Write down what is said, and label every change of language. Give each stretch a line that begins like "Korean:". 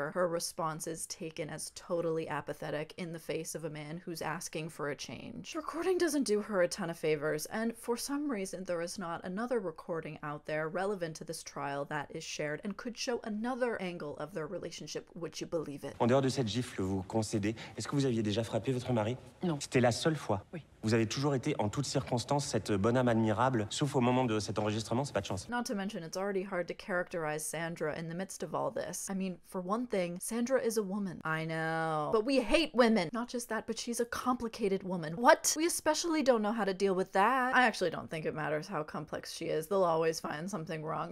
English: where her response is taken as totally apathetic in the face of a man who's asking for a change. Recording doesn't do her a ton of favors, and for some reason there is not another recording out there relevant to this trial that is shared and could show another angle of their relationship, would you believe it?
French: En dehors de cette gifle, vous concédez, est-ce que vous aviez déjà frappé votre mari? Non. C'était la seule fois? Oui. Vous avez toujours été en toutes circonstances cette bonne âme admirable, sauf au moment de cet enregistrement, c'est pas de chance.
English: Not to mention, it's already hard to characterize Sandra in the midst of all this. I mean, for one thing, Sandra is a woman. I know. But we hate women. Not just that, but she's a complicated woman. What? We especially don't know how to deal with that. I actually don't think it matters how complex she is. They'll always find something wrong.